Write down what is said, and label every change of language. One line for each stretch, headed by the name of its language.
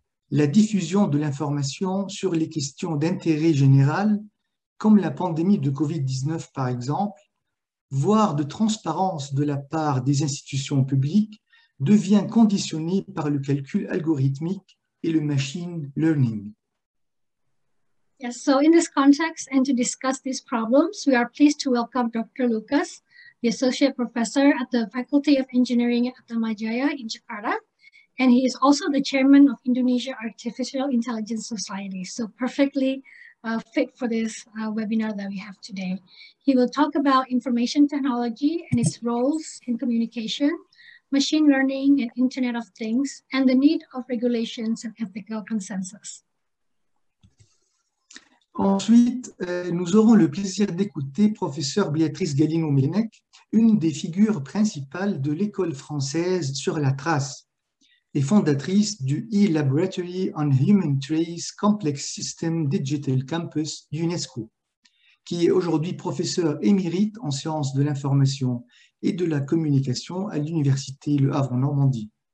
French: La diffusion de l'information sur les questions d'intérêt général, comme la pandémie de COVID-19 par exemple, voire de transparence de la part des institutions publiques, devient conditionnée par le calcul algorithmique et le machine learning.
English: Yes, so in this context and to discuss these problems, we are pleased to welcome Dr. Lucas, the Associate Professor at the Faculty of Engineering at Atmajaya in Jakarta, and he is also the Chairman of Indonesia Artificial Intelligence Society, so perfectly fit for this webinar that we have today. He will talk about information technology and its roles in communication, machine learning and Internet of Things, and the need of regulations and ethical consensus.
French: Ensuite, nous aurons le plaisir d'écouter professeur Béatrice Galino-Ménec, une des figures principales de l'école française sur la trace et fondatrice du e-Laboratory on Human Trace Complex System Digital Campus UNESCO, qui est aujourd'hui professeur émérite en sciences de l'information et de la communication à l'Université Le Havre-Normandie.